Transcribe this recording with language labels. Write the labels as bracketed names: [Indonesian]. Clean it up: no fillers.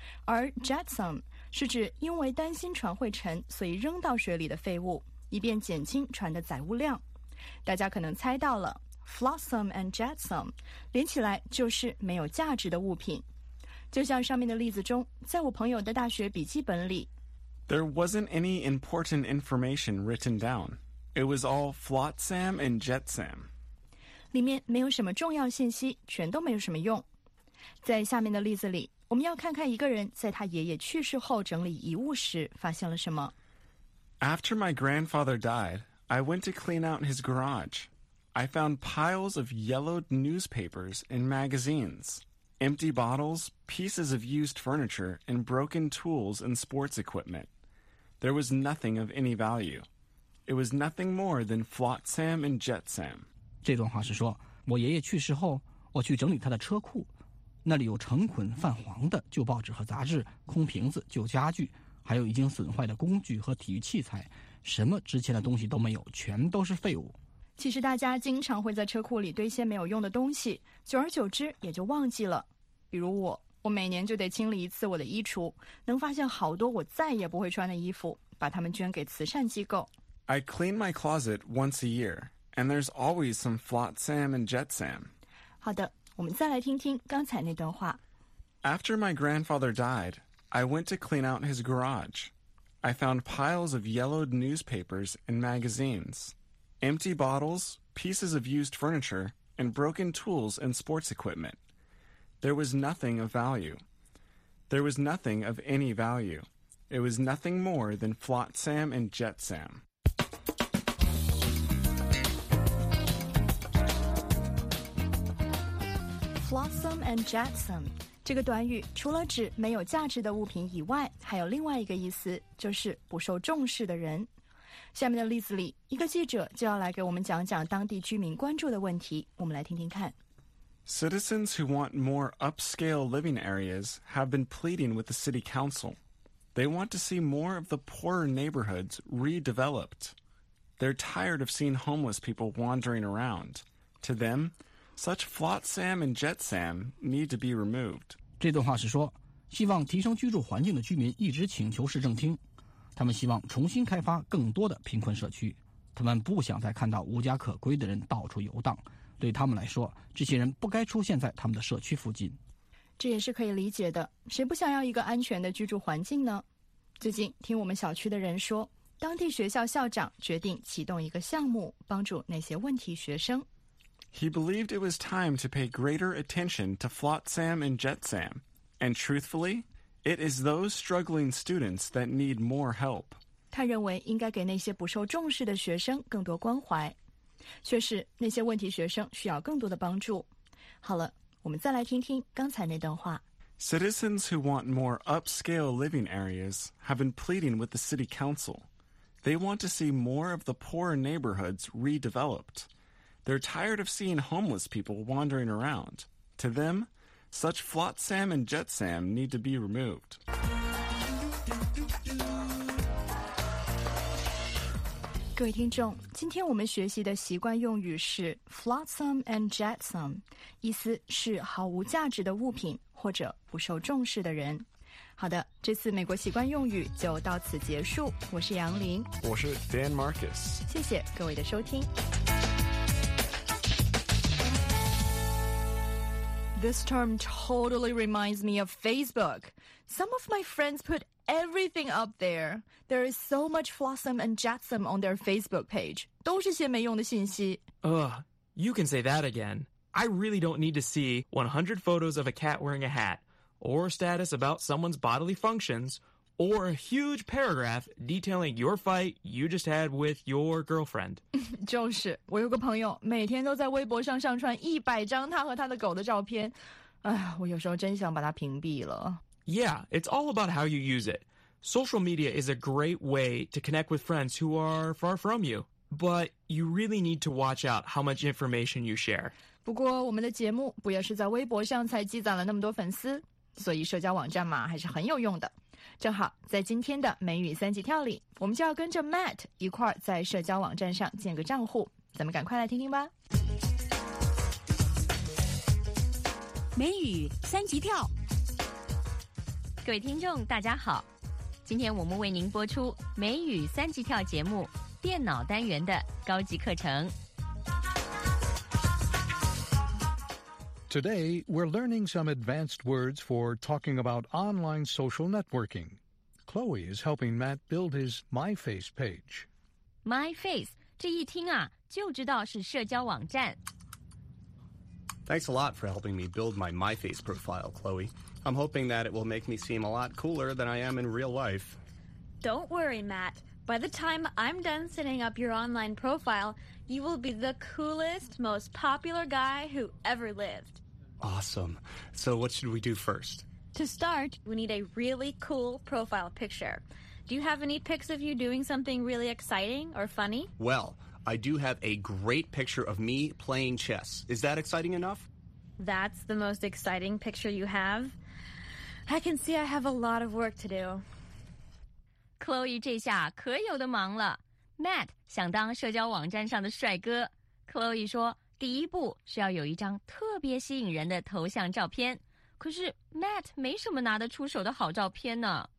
[Chinese] 而 jetsam 是指因为担心船会沉所以扔到水里的废物，以便减轻船的载物量。大家可能猜到了。Flotsam and jetsam 连起来就是没有价值的物品，就像上面的例子中，在我朋友的大学笔记本里 [English] There wasn't any important information written down. It was all flotsam and jetsam. [Chinese] 里面没有什么重要信息，全都没有什么用。在下面的例子里，我们要看看一个人在他爷爷去世后整理遗物时发现了什么。 [English] After my grandfather died, I went to clean out his garageI found piles of yellowed newspapers and magazines, empty bottles, pieces of used furniture, and broken tools and sports equipment. There was nothing of any value. It was nothing more than flotsam and jetsam. [Chinese] 这段话是说，我爷爷去世后，我去整理他的车库，那里有成捆泛黄的旧报纸和杂志、空瓶子、旧家具，还有已经损坏的工具和体育器材，什么值钱的东西都没有，全都是废物。其实大家经常会在车库里堆些没有用的东西，久而久之也就忘记了。比如我我每年就得清理一次我的衣橱，能发现好多我再也不会穿的衣服，把它们捐给慈善机构。 [English] I clean my closet once a year, and there's always some flotsam and jetsam. [Chinese] 好的，我们再来听听刚才那段话。 [English] After my grandfather died, I went to clean out his garage. I found piles of yellowed newspapers and magazines, empty bottles, pieces of used furniture, and broken tools and sports equipment. There was nothing of value. There was nothing of any value. It was nothing more than flotsam and jetsam. Flotsam and jetsam. [Chinese] 这个短语除了指没有价值的物品以外，还有另外一个意思，就是不受重视的人。下面的例子里，一个记者就要来给我们讲讲当地居民关注的问题，我们来听听看。 [English] Citizens who want more upscale living areas have been pleading with the city council. They want to see more of the poorer neighborhoods redeveloped. They're tired of seeing homeless people wandering around. To them,Such flotsam and jetsam need to be removed. [Chinese] 这段话是说，希望提升居住环境的居民一直请求市政厅，他们希望重新开发更多的贫困社区，他们不想再看到无家可归的人到处游荡，对他们来说，这些人不该出现在他们的社区附近。这也是可以理解的，谁不想要一个安全的居住环境呢？最近听我们小区的人说，当地学校校长决定启动一个项目，帮助那些问题学生。 [English] He believed it was time to pay greater attention to flotsam and jetsam. And truthfully, it is those struggling students that need more help. [Chinese] 他认为应该给那些不受重视的学生更多关怀。确实，那些问题学生需要更多的帮助。好了，我们再来听听刚才那段话。 [English] Citizens who want more upscale living areas have been pleading with the city council. They want to see more of the poorer neighborhoods redeveloped. They're tired of seeing homeless people wandering around. To them, such flotsam and jetsam need to be removed. [Chinese] 各位听众，今天我们学习的习惯用语是 flotsam and jetsam, 意思是毫无价值的物品或者不受重视的人。好的，这次美国习惯用语就到此结束。我是杨林，我是 Dan Marcus。谢谢各位的收听。 [English] This term totally reminds me of Facebook. Some of my friends put everything up there. There is so much flotsam and jetsam on their Facebook page. [Chinese] 都是些没用的信息。 [English] Ugh, you can say that again. I really don't need to see 100 photos of a cat wearing a hat, or status about someone's bodily functions, or a huge paragraph detailing your fight you just had with your girlfriend. [Chinese] 就是，我有个朋友每天都在微博上上传100张他和他的狗的照片。哎，我有时候真想把他屏蔽了。 [English] Yeah, it's all about how you use it. Social media is a great way to connect with friends who are far from you. But you really need to watch out how much information you share. [Chinese] 不过我们的节目不也是在微博上才积攒了那么多粉丝？所以社交网站嘛，还是很有用的。正好在今天的美语三级跳里，我们就要跟着 Matt 一块儿在社交网站上建个账户，咱们赶快来听听吧。美语三级跳，各位听众大家好，今天我们为您播出美语三级跳节目电脑单元的高级课程。 [English] Today, we're learning some advanced words for talking about online social networking. Chloe is helping Matt build his MyFace page. [Chinese] MyFace, 这一听啊，就知道是社交网站。 [English] Thanks a lot for helping me build my MyFace profile, Chloe. I'm hoping that it will make me seem a lot cooler than I am in real life. Don't worry, Matt. By the time I'm done setting up your online profile... You will be the coolest, most popular guy who ever lived. Awesome. So what should we do first? To start, we need a really cool profile picture. Do you have any pics of you doing something really exciting or funny? Well, I do have a great picture of me playing chess. Is that exciting enough? That's the most exciting picture you have? I can see I have a lot of work to do. [Chinese] Chloe, 这下可有的忙了。Matt 想当社交网站上的帅哥。 Chloe 说，第一步是要有一张特别吸引人的头像照片，可是 Matt 没什么拿得出手的好照片呢。